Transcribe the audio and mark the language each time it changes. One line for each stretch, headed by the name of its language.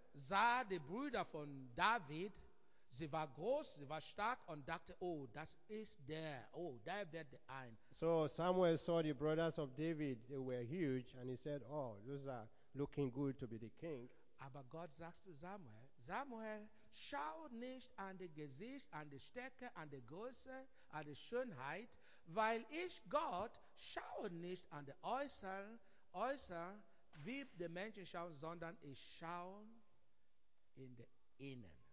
German: sah die Brüder von David, sie war groß, sie war stark und dachte, oh, das ist der, oh, der wird der ein.
English: So Samuel saw the brothers of David, they were huge, and he said, oh, those are looking good to be the king.
German: Aber Gott sagt zu Samuel, Samuel, schau nicht an das Gesicht, an die Stärke, an die Größe, an die Schönheit, weil ich, Gott, schaue nicht an die Äußeren, wie die Menschen schauen, sondern ich schaue in den Innen.